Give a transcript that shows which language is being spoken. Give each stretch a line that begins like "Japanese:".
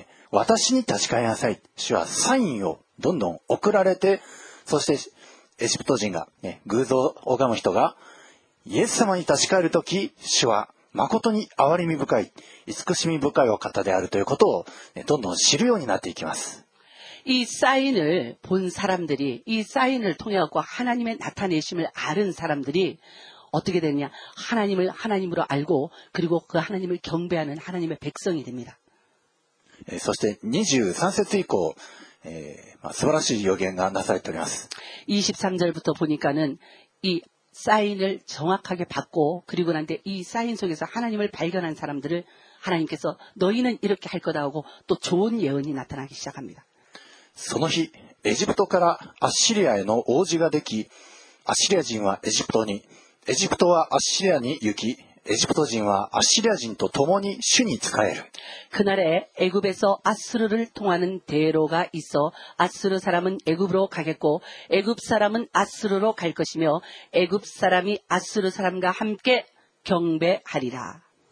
Japanese: 私に立ち返りなさい。主はサインをどんどん送られて、そしてエジプト人が、偶像を拝む人がイエス様に立ち返るとき、主は誠に憐れみ深い、慈しみ深いお方であるということを、どんどん知るようになっていきます。
Korean: 이 사인을 본 사람들이 이 사인을 통해 갖고 하나님의 나타내심을 아는 사람들이 어떻게 되냐? 하나님을 하나님으로 알고 그리고 그 하나님을 경배하는 하나님의 백성이 됩니다.
Japanese: そして23節以降、素晴らしい予言がなされております。
Korean: 23절부터보니까는 이 사인을 정확하게 받고 그리고 난 데 이 사인 속에서 하나님을 발견한 사람들을 하나님께서 너희는 이렇게 할 거다 하고 또 좋은 예언이 나타나기 시작합니다。
Japanese: その日、エジプトからアッシリアへの王子ができ、アッシリア人はエジプトに、エジプトはアッシリアに行き、エジプト人はアッシリア人と共に主に仕える。
Korean: 그날에애굽에서아수르를통하는대로가있어아수르사람은애굽으로가겠고애굽사람은아수르로갈것이며애굽사람이아수르사람과함께경배하리라。